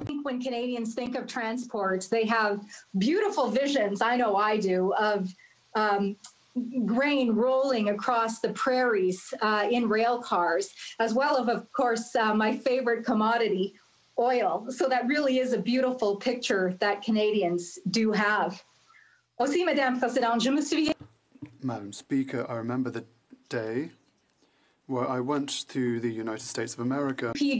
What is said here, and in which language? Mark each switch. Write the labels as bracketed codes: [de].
[en] I think when Canadians think of transport, they have beautiful visions, I know I do, of grain rolling across the prairies in rail cars, as well as, of course, my favorite commodity, oil. So that really is a beautiful picture that Canadians do have. [fr] Aussi, Madame Présidente, je me souviens. [en] Madam Speaker, I remember the day where I went to the United States of America.